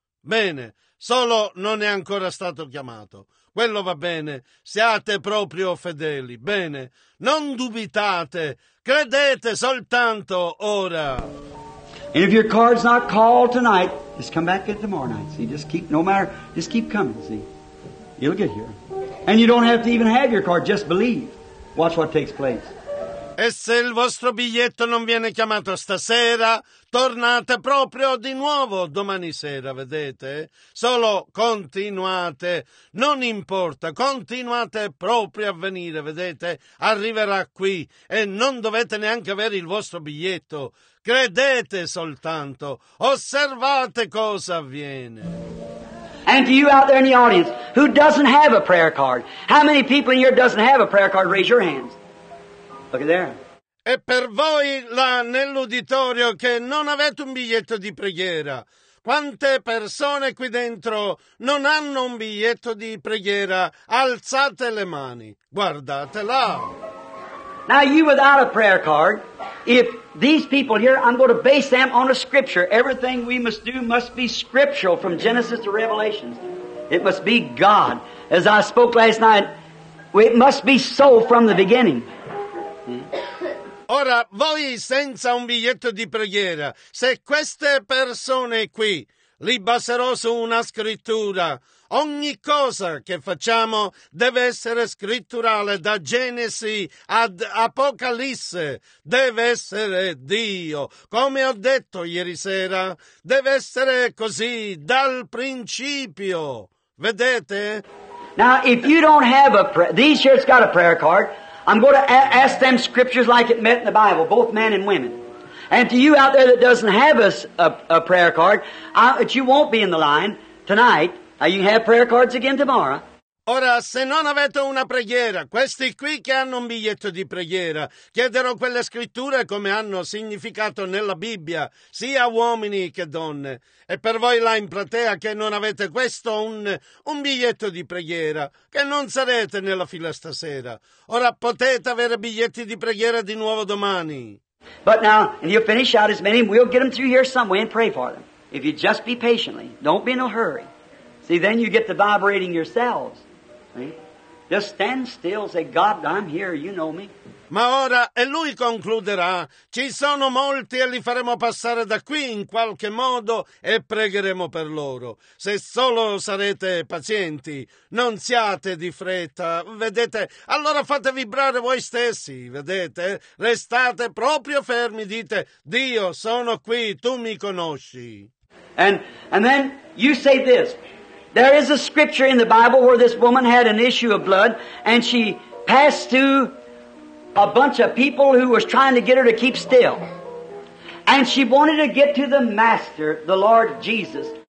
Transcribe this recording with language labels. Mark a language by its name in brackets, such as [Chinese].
[Italian] Bene, solo non è ancora stato chiamato. Quello va bene, siate proprio fedeli. Bene, non dubitate, credete soltanto ora. [English] And if your card's not called tonight, just come back at tomorrow night, see? Just keep coming, see? You'll get here. And you don't have to even have your card. Just believe. Watch what takes place. [Italian] E se il vostro biglietto non viene chiamato stasera, tornate proprio di nuovo domani sera, vedete? Solo continuate. Non importa. Continuate proprio a venire, vedete? Arriverà qui. E non dovete neanche avere il vostro biglietto. Credete soltanto. Osservate cosa avviene. [English] And to you out there in the audience who doesn't have a prayer card. How many people in here doesn't have a prayer card? Raise your hands. Look at there. [Italian] E per voi là nell'uditorio che non avete un biglietto di preghiera, quante persone qui dentro non hanno un biglietto di preghiera? Alzate le mani. Guardate là. [English] Now you without a prayer card, if these people here, I'm going to base them on a scripture. Everything we must do must be scriptural from Genesis to Revelation. It must be God. As I spoke last night, it must be so from the beginning. [Italian] Ora, voi senza un biglietto di preghiera, se queste persone qui li baserò su una scrittura, ogni cosa che facciamo deve essere scritturale, da Genesi ad Apocalisse, deve essere Dio. Come ho detto ieri sera, deve essere così, dal principio. Vedete? [English] Now, if you don't have a prayer, these shirts got a prayer card, I'm going to ask them scriptures like it meant in the Bible, both men and women. And to you out there that doesn't have a prayer card, that you won't be in the line tonight. Now you have prayer cards again tomorrow. [Italian] Ora, se non avete una preghiera, questi qui che hanno un biglietto di preghiera, chiederò quelle scritture come hanno significato nella Bibbia, sia uomini che donne. E per voi là in platea che non avete questo, un biglietto di preghiera, che non sarete nella fila stasera. Ora potete avere biglietti di preghiera di nuovo domani. [English] But now, and you'll finish out as many, we'll get them through here some way and pray for them. If you just be patiently, don't be in a hurry. See, then you get to vibrating yourselves. See? Just stand still, say, God, I'm here, you know me. [Italian] Ma ora, e lui concluderà, ci sono molti e li faremo passare da qui in qualche modo e pregheremo per loro. Se solo sarete pazienti, non siate di fretta, vedete? Allora fate vibrare voi stessi, vedete? Restate proprio fermi, dite, Dio, sono qui, tu mi conosci. [English] And then you say this, there is a scripture in the Bible where this woman had an issue of blood and she passed through a bunch of people who was trying to get her to keep still. And she wanted to get to the Master, the Lord Jesus.